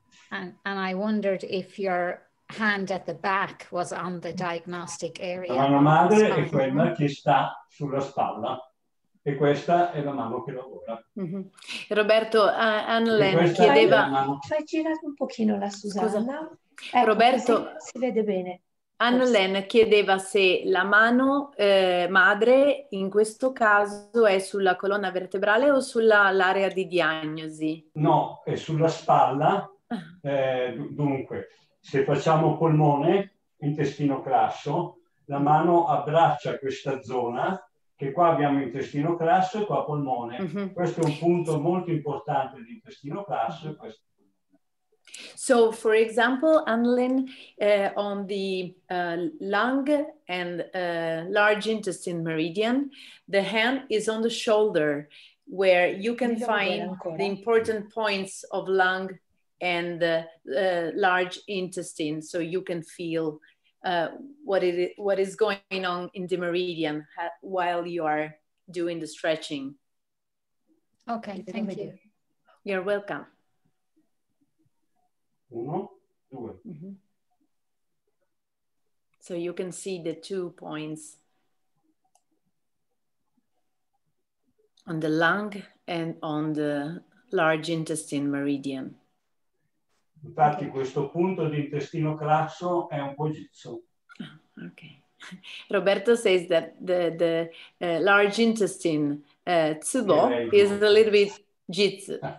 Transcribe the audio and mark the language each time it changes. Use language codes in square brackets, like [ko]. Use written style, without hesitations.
[en] And I wondered if your hand at the back was on the diagnostic area. [it] La mano madre è quella che sta sulla spalla. E questa è la mano che lavora. Mm-hmm. Roberto Anlen chiedeva... Fai girare un pochino la Susanna. Ecco, Roberto... Si vede bene. Anlen chiedeva se la mano madre in questo caso è sulla colonna vertebrale o sull'area di diagnosi. No, è sulla spalla. Dunque, se facciamo polmone, intestino crasso, la mano abbraccia questa zona, che qua abbiamo intestino crasso e qua polmone. Mm-hmm. Questo è un punto molto importante di intestino crasso. [en] So, for example, Anlin, on the lung and large intestine meridian, the hand is on the shoulder, where you can find the important points of lung and large intestine, so you can feel what is going on in the meridian while you are doing the stretching. Okay, thank you. You're welcome. [it] Uno, due. Mm-hmm. [en] So you can see the two points on the lung and on the large intestine meridian. [it] Infatti, okay. Questo punto di intestino crasso è un po' gizzo. [en] Okay. Roberto says that the large intestine tsubo is a little bit jitsu.